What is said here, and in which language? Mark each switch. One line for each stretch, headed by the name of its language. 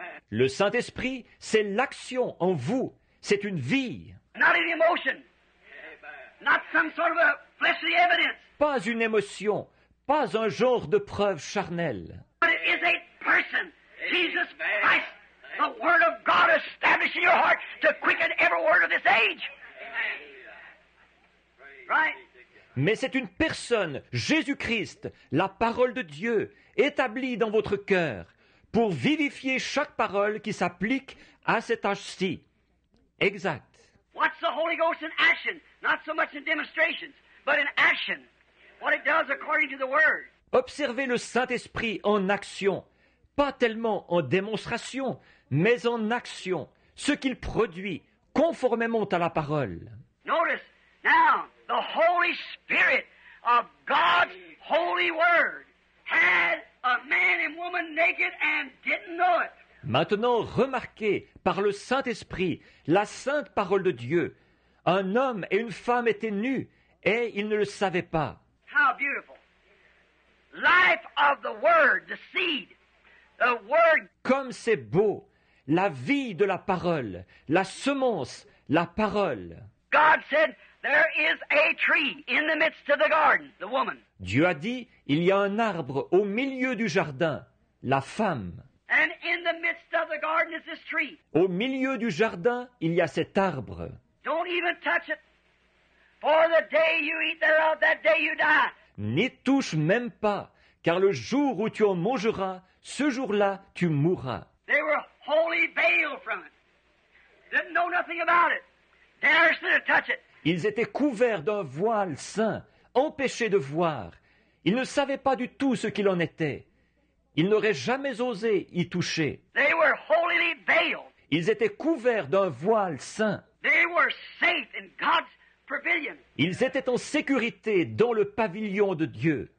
French: Le Saint-Esprit, c'est l'action en vous. C'est une vie.
English: Not an emotion. Not some sort of a fleshly evidence.
French: Pas une émotion, pas un genre de preuve charnelle.
English: But it is a person, Jesus Christ, the Word of God established in your heart to quicken every word of this age. Right?
French: Mais c'est une personne, Jésus-Christ, la parole de Dieu, établie dans votre cœur, pour vivifier chaque parole qui s'applique à cet âge-ci. Exact.
English: What's the Holy Ghost in action? Not so much in demonstrations, but in action. What it does according to the Word.
French: Observez le Saint-Esprit en action. Pas tellement en démonstration, mais en action. Ce qu'il produit, conformément à la parole.
English: Notice, now, the Holy Spirit of God's Holy Word had a man and woman naked and didn't know it.
French: Maintenant, remarquez, par le Saint-Esprit, la sainte parole de Dieu, un homme et une femme étaient nus, et ils ne le savaient pas.
English: How beautiful. Life of the Word, the seed, the Word.
French: Comme c'est beau, la vie de la parole, la semence, la parole.
English: God said, There is a tree in the midst of the garden, the woman.
French: Dieu a dit, il y a un arbre au milieu du jardin, la femme.
English: And in the midst of the garden is this tree.
French: Au milieu du jardin, il y a cet arbre.
English: Don't even touch it. For the day you eat thereof, that day you die.
French: N'y touche même pas, car le jour où tu en mangeras, ce jour-là, tu mourras.
English: They were wholly veiled from it. Didn't know nothing about it. Dared to touch it.
French: Ils étaient couverts d'un voile saint, empêchés de voir. Ils ne savaient pas du tout ce qu'il en était. Ils n'auraient jamais osé y toucher.
English: They were wholly veiled.
French: Ils étaient couverts d'un voile saint.
English: They were safe in God's pavilion.
French: Ils étaient en sécurité dans le pavillon de Dieu.